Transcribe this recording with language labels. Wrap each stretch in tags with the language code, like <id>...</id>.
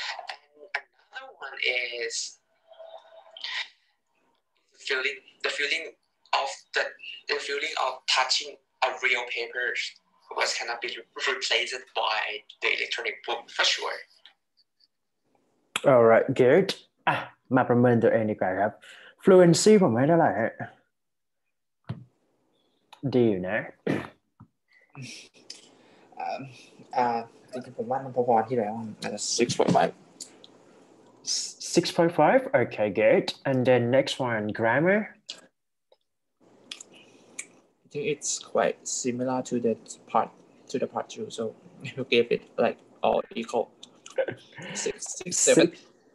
<en>And another one is the feeling of touching a real paper was cannot be replaced by the electronic book for sure. All right, good.</en> <th>มาประเมินตัวเองดีกว่าครับ fluency ผมให้เท่าไหร่ดีอยู่นะ จริงๆผมว่ามันพอๆที่แล้ว</th> <en>6.5 okay good and then next one grammar I think it's quite similar to that part to the part 2 so you gave it like all equal 6.7</en>